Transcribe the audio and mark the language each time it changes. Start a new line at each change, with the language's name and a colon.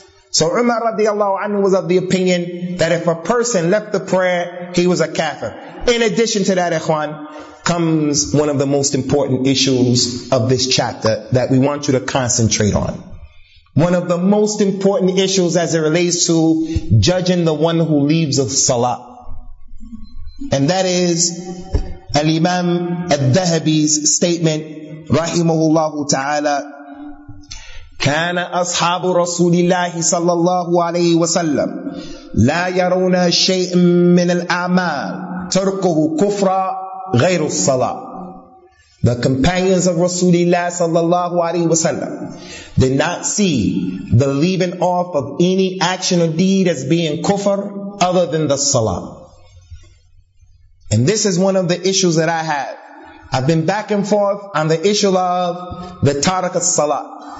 English: So Umar radiallahu anhu was of the opinion that if a person left the prayer, he was a kafir. In addition to that, ikhwan, comes one of the most important issues of this chapter that we want you to concentrate on. One of the most important issues as it relates to judging the one who leaves a salah. And that is Al-Imam Al-Dhahabi's statement,
Arabic: rahimahullahu ta'ala, كان أصحاب رسول الله صلى الله عليه وسلم لا يرون شيء من الأعمال تركه كفر غير الصلاة.
English: The companions of Rasulullah صلى الله عليه وسلم did not see the leaving off of any action or deed as being kufr other than the salah. And this is one of the issues that I have. I've been back and forth on the issue of the tarak as-salah.